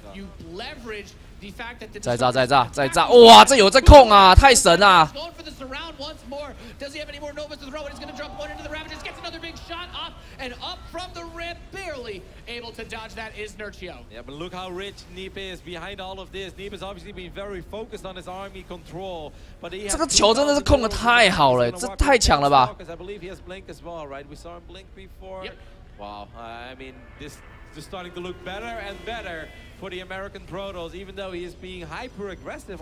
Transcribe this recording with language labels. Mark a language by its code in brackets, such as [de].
[en] You leverage the fact that the. [zh] 再炸！哇，这有在控啊，太神啊！ [en] Going for the surround once more. Does he have any more Novas to throw? And he's going to drop one into the Ravages. Gets another big shot up and up from the rip, barely able to dodge that. Is Nurcio? Yeah, but look how rich Neep is behind all of this. Neep has obviously been very focused on his army control, but he. [zh] 这个球真的是控的太好了，这太强了吧！ [en] Because I believe he has Blink as well, right? We saw him. Blink before. Yep. Wow. I mean, this is starting to look better and better for the American Protoss, even though he is being hyper aggressive.